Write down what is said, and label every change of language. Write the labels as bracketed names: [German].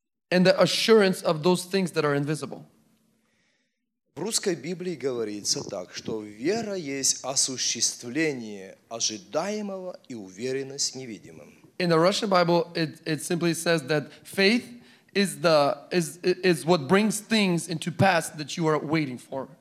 [English] And the assurance of those things that are invisible. [Russian] В русской Библии говорится так, что вера есть осуществление ожидаемого и уверенность в невидимом. [English] In the Russian Bible, it simply says that faith is what brings things into pass that you are waiting for.